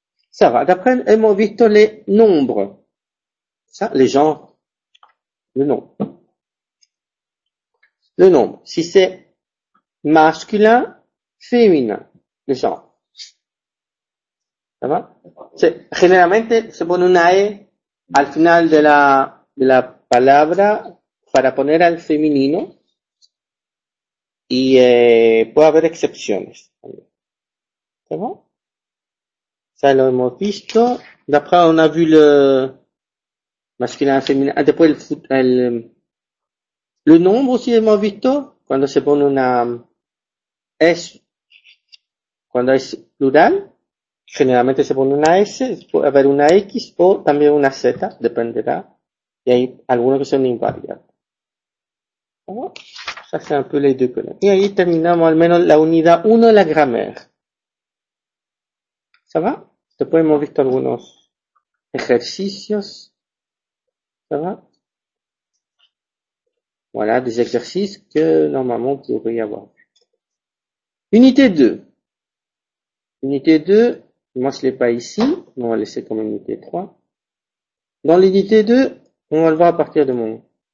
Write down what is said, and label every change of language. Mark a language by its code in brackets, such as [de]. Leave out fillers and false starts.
[fr] Ça va, d'après [es] hemos visto [fr] les nombres, ça, les genres, le nom. Le nombre, si c'est masculin, féminin, le genre. Ça va? C'est, généralement, [es] se pone una E al final de la palabra para poner al femenino. Y puede haber excepciones. [fr] Ça va? [es] Ça lo hemos visto. [fr] D'après, on a vu le masculin, féminin. [es] Ah, después, [fr] le nombre aussi, [es] hemos visto, cuando se pone una S, cuando es plural, generalmente se pone una S, puede haber una X o también una Z, dependerá, y hay algunos que son invariables. ¿No? O sea, [fr] c'est un peu les deux colonnes. [es] Y ahí terminamos al menos la unidad 1 de la grammaire. [fr] ¿Ça va? [es] Después hemos visto algunos ejercicios. [fr] ¿Ça va? Voilà des exercices que normalement vous devriez avoir. Unité 2. Unité 2, moi je ne l'ai pas ici, on va laisser comme unité 3. Dans l'unité 2, on va le voir à partir de mon...